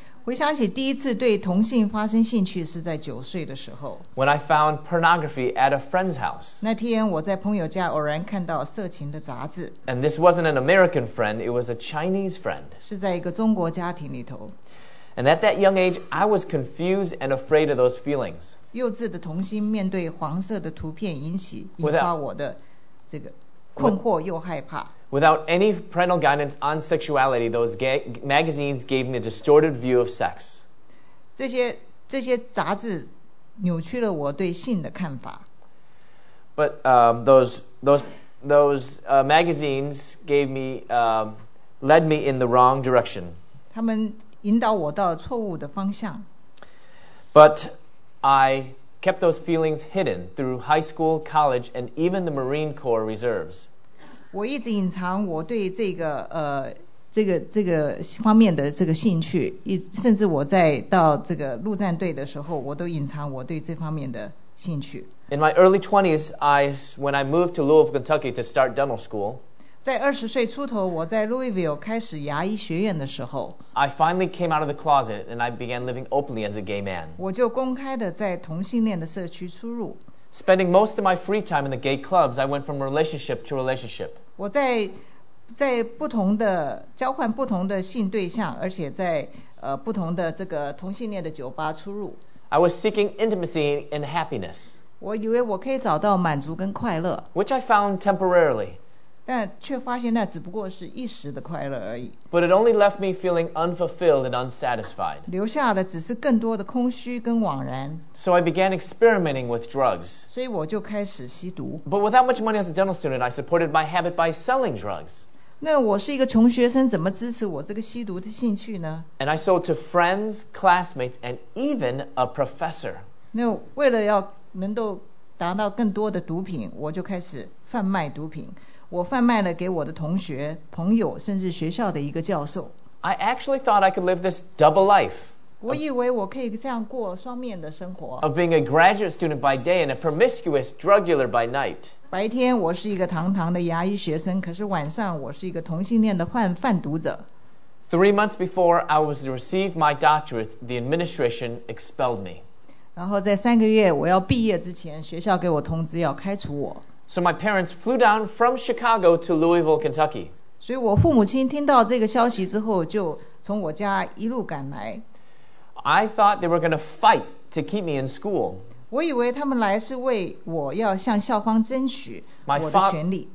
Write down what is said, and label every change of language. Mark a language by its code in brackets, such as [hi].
[zh] 回想起第一次对同性发生兴趣是在九岁的时候。 [en] When I found pornography at a friend's house. [zh] 那天我在朋友家偶然看到色情的杂志。 [en] And this wasn't an American friend, it was a Chinese friend. [zh] 是在一个中国家庭里头。 [en] And at that young age, I was confused and afraid of those feelings. [zh] 幼稚的童心面对黄色的图片引发我的这个困惑又害怕。 [en] Without any parental guidance on sexuality, those magazines gave me a distorted view of sex. [zh] 这些杂志扭曲了我对性的看法。 [en] But those magazines gave me led me in the wrong direction. [zh] 他们引导我到错误的方向。 [en] But I kept those feelings hidden through high school, college, and even the Marine Corps reserves. [zh] 我一直隐藏我对这个方面的这个兴趣，甚至我在到这个陆战队的时候，我都隐藏我对这方面的兴趣。 [en] In my early 20s, when I moved to Louisville, Kentucky to start dental school, [zh] 在二十岁出头，我在 Louisville 开始牙医学院的时候 [en] ，I finally came out of the closet and I began living openly as a gay man. [zh] 我就公开的在同性恋的社区出入。 [en] Spending most of my free time in the gay clubs, I went from relationship to relationship. [zh] 我在不同的交换不同的性对象，而且在不同的这个同性恋的酒吧出入。 [en] I was seeking intimacy and happiness. [zh] 我以为我可以找到满足跟快乐。 [en] Which I found temporarily. [zh] 但却发现那只不过是一时的快乐而已。 [en] But it only left me feeling unfulfilled and unsatisfied. [zh] 留下的只是更多的空虚跟枉然。 [en] So I began experimenting with drugs. [zh] 所以我就开始吸毒。 [en] But without much money as a dental student, I supported my habit by selling drugs. [zh] 那我是一个穷学生，怎么支持我这个吸毒的兴趣呢？ [en] And I sold to friends, classmates, and even a professor. [zh] 那为了要能够达到更多的毒品，我就开始贩卖毒品。我贩卖了给我的同学、朋友，甚至学校的一个教授。 [en] I actually thought I could live this double life. [zh] 我以为我可以这样过双面的生活。 [en] Of being a graduate student by day and a promiscuous drug dealer by night. [zh] 白天我是一个堂堂的牙医学生，可是晚上我是一个同性恋的贩毒者。 [en] 3 months before I was to receive my doctorate, the administration expelled me. [zh] 然后在3个月我要毕业之前，学校给我通知要开除我。 [en] So my parents flew down from Chicago to Louisville, Kentucky. [zh] 所以我父母亲听到这个消息之后，就从我家一路赶来。 [en] I thought they were going to fight to keep me in school. [zh] 我以为他们来是为我要向校方争取我的权利。